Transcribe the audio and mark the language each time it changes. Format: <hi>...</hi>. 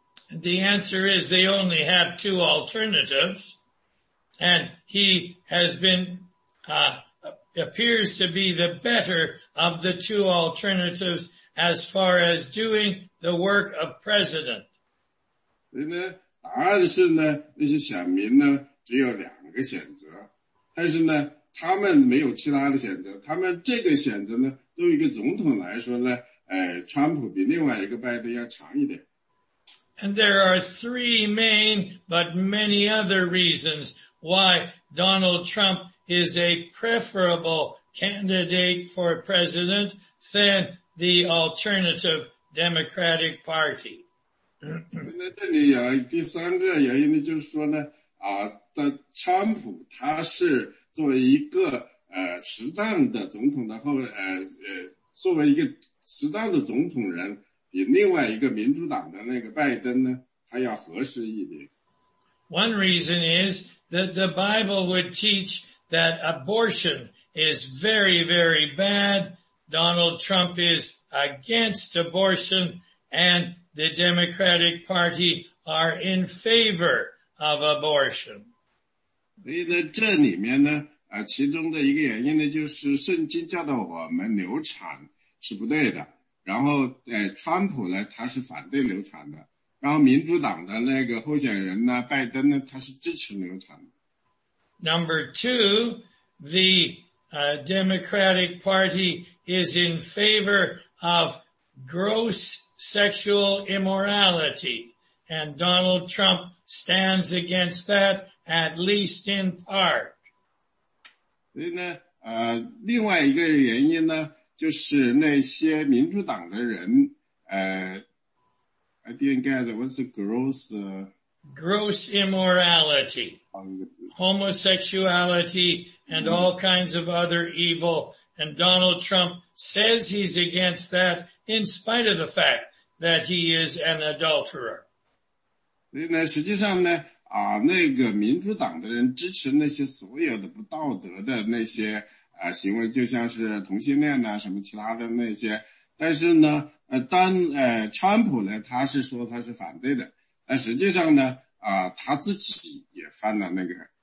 <en>The answer is they only have two alternatives, and he has been, appears to be the better of the two alternatives as far as doing the work of president.</en> <zh>对呢答案是呢，那些选民呢只有两个选择，但是呢，他们没有其他的选择，他们这个选择呢，作为一个总统来说呢，川普比另外一个拜登要强一点。</zh> <en>And there are three main, but many other reasons why Donald Trump is a preferable candidate for president than the alternative Democratic Party.</en> <zh>那这里有第三个原因呢，就是说呢，川普他是作为一个适当的总统的作为一个适当的总统人，比另外一个民主党的那个拜登呢，他要合适一点。</zh> <en>One reason is that the Bible would teach that abortion is very, very bad. Donald Trump is against abortion and. The Democratic Party are in favor of abortion.</en> <zh>所以在这里面呢，其中的一个原因呢，就是圣经教导我们流产是不对的。然后，川普呢，他是反对流产的。然后，民主党的那个候选人呢，拜登呢，他是支持流产的。</zh> <en>Number two, the Democratic Party is in favor of gross. Sexual immorality, and Donald Trump stands against that at least in part.</en> <zh>所以呢，另外一个原因呢，就是那些民主党的人，</zh> <en>I didn't get what's the gross. Gross immorality, homosexuality, and all kinds of other evil. And Donald Trump says he's against that, in spite of the fact. That he is an adulterer.</en> <zh>所以呢，实际上呢，那个民主党的人支持那些所有的不道德的那些行为，就像是同性恋呐，什么其他的那些。但是呢，川普呢，他是说他是反对的，但实际上呢，他自己也犯了那个</zh>